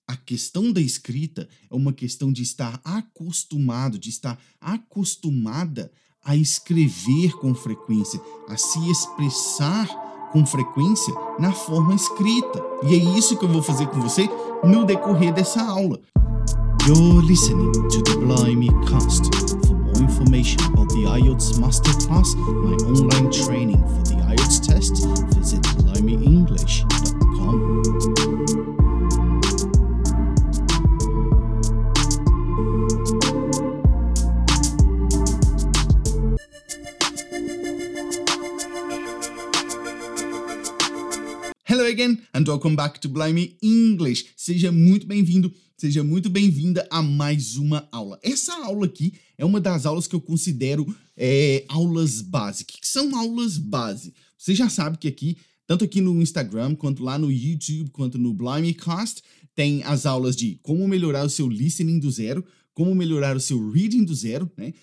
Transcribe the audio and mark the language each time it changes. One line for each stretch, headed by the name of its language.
Portuguese: A questão da escrita é uma questão de estar acostumado, de estar acostumada a escrever com frequência, a se expressar com frequência na forma escrita. E é isso que eu vou fazer com você no decorrer dessa aula.
English: You're listening to the Blimey Cast. For more information about the IELTS Masterclass, my online training for the IELTS test, visit blimeyenglish.com. Hello again and welcome back to Blimey English.
Portuguese: Seja muito bem-vindo, seja muito bem-vinda a mais uma aula. Essa aula aqui é uma das aulas que eu considero aulas base. O que são aulas base? Você já sabe que aqui, tanto aqui no Instagram, quanto lá no YouTube, quanto no Blimeycast, tem as aulas de como melhorar o seu listening do zero, como melhorar o seu reading do zero, né?